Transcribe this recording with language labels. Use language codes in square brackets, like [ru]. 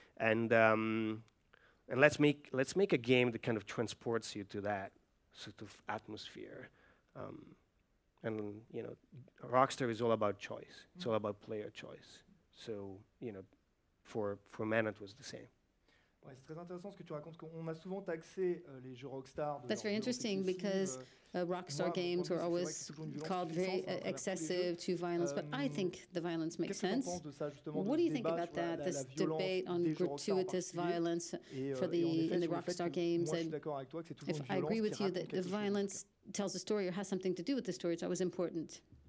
[en] And let's make a game that kind of transports you to that sort of atmosphere. And you know, Rockstar is all about choice. Mm-hmm. It's all about player choice. So, you know, for Manant was the same. [fr] Ouais, c'est très intéressant ce que tu racontes, qu'on a souvent taxé les jeux Rockstar. [en] That's very interesting because Rockstar games were always called very excessive, too violent. But I think the violence makes sense. What do you think about that? This debate on gratuitous violence for the in the Rockstar games, and if I agree with you that the violence tells a story or has something to do with the story, it's always important.